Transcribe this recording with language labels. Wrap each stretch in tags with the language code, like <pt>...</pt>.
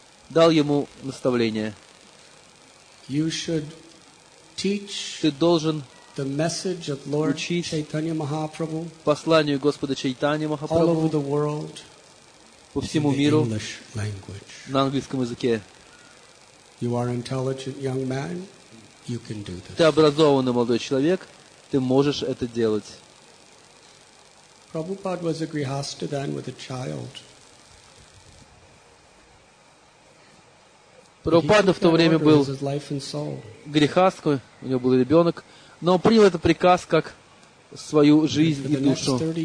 <ru>дал ему наставление: ты должен учить посланию Господа Чайтанья Махапрабху по всему миру на английском языке. Ты образованный молодой человек, ты можешь это делать.</ru> <en>Prabhupada was a grihastha then with a child.</en> <ru>Прабхупада в то время был грихастхой, у него был ребенок, но он принял этот приказ как свою жизнь и душу.</ru>